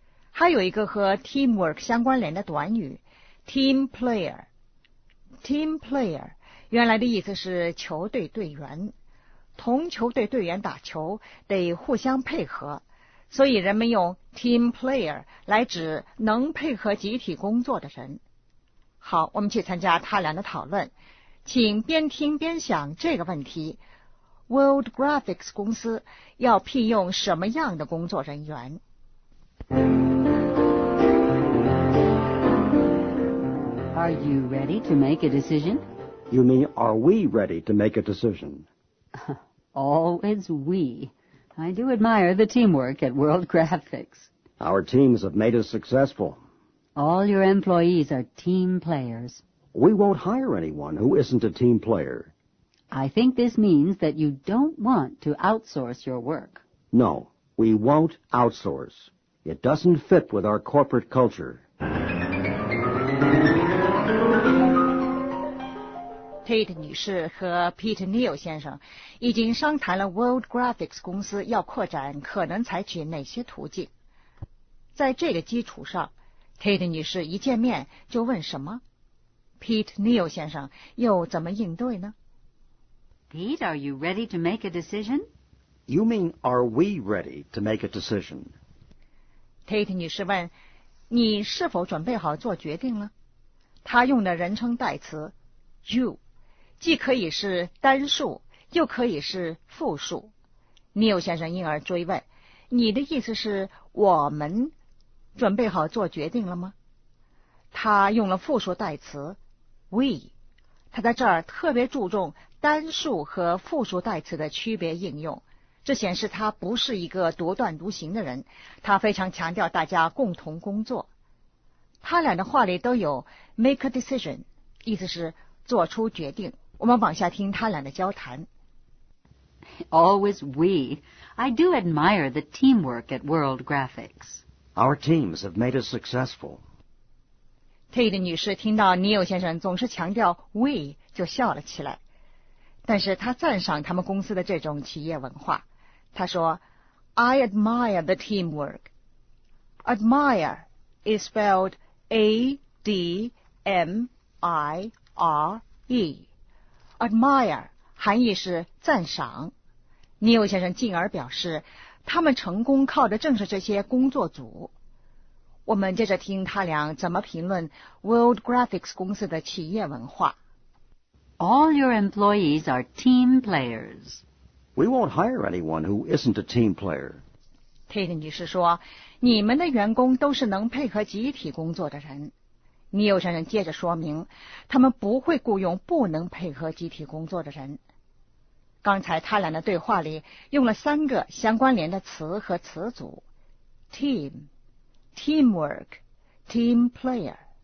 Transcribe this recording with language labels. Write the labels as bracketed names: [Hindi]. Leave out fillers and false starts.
[Chinese] 还有一个和 teamwork 相关联的短语 Team player， Team player 原来的意思是球队队员，同球队队员打球得互相配合，所以人们用 team player 来指能配合集体工作的人。好，我们去参加他俩的讨论，请边听边想这个问题，World Graphics 公司要聘用什么样的工作人员？ [English] Are you ready to make a decision? You mean, are we ready to make a decision? Always we. I do admire the teamwork at World Graphics. Our teams have made us successful. All your employees are team players. We won't hire anyone who isn't a team player. I think this means that you don't want to outsource your work. No, we won't outsource. It doesn't fit with our corporate culture. [Chinese] Tate 女士和 Pete Neal 先生已经商谈了 World Graphics 公司要扩展可能采取哪些途径。在这个基础上， Tate 女士一见面就问什么？ Pete Neal 先生又怎么应对呢？ [English] Pete, are you ready to make a decision? You mean, are we ready to make a decision? [Chinese] Tate 女士问，你是否准备好做决定了？她用的人称代词 you 既可以是单数，又可以是复数。 Neil 先生因而追问，你的意思是我们准备好做决定了吗？她用了复数代词 we。他在这儿特别注重单数和复数代词的区别应用，这显示他不是一个独断独行的人，他非常强调大家共同工作。他俩的话里都有 [English] make a decision， [Chinese] 意思是做出决定。我们往下听他俩的交谈。 [English] Always we. I do admire the teamwork at World Graphics. Our teams have made us successful. [Chinese] Tate 女士听到 Neil 先生总是强调 we 就笑了起来，但是她赞赏他们公司的这种企业文化。她说 [English] I admire the teamwork. Admire is spelled A-D-M-I-R-E. [Chinese] Admire 含义是赞赏。Neil 先生进而表示，他们成功靠的正是这些工作组。我们接着听他俩怎么评论 World Graphics 公司的企业文化。 [English] All your employees are team players. We won't hire anyone who isn't a team player. [Chinese] Tate 女士说，你们的员工都是能配合集体工作的人。 Neil 先生接着说明，他们不会雇佣不能配合集体工作的人。刚才他俩的对话里用了三个相关联的词和词组， teamTeamwork, team player.